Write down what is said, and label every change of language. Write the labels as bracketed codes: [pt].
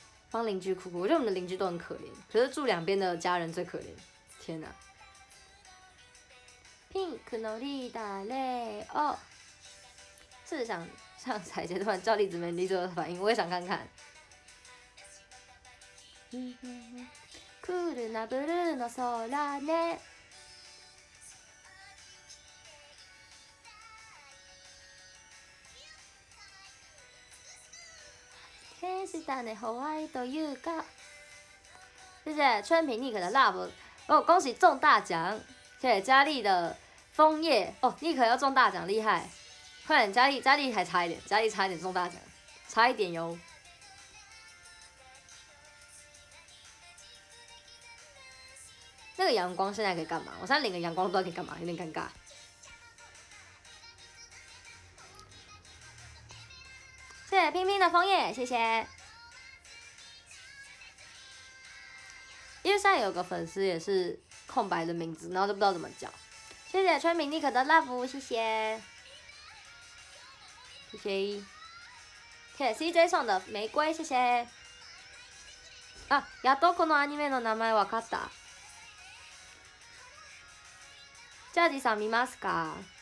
[zh] 帮邻居哭哭，我觉得我们的邻居都很可怜，可是住两边的家人最可怜。天哪 ，Pink no li da le o， 是想彩杰突然叫栗子妹，栗子的反应，我也想看看。 [ja] クールなブルーの空ね。天使だねホワイトユーカ。 [zh] 谢谢春平 Nick 的 Love 哦，恭喜中大奖！谢谢佳丽的枫叶哦 ，Nick 要中大奖，厉害！快点，佳丽还差一点，佳丽差一点中大奖，差一点哟。那个阳光现在可以干嘛？我现在领个阳光都不知道可以干嘛，有点尴尬。谢谢冰冰的枫叶，谢谢。因为现在有个粉丝也是空白的名字，然后都不知道怎么叫。谢谢春明妮可的 love， 谢谢。谢谢。谢谢 CJ 送的玫瑰，谢谢。 [ja] 啊，やっとこのアニメの名前わかった。ジャージさん見ますか？